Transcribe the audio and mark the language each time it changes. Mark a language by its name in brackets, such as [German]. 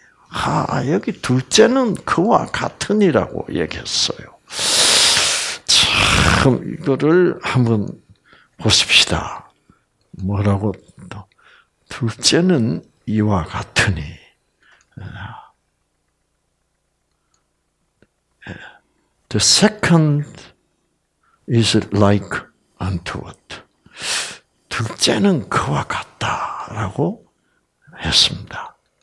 [Korean] 아, 여기 둘째는 그와 같으니라고 얘기했어요. 참, 이거를 한번 보십시다. 뭐라고 또, 둘째는 이와 같으니. 네. [English] The second is like unto what? [Korean] 둘째는 그와 같다라고 했습니다.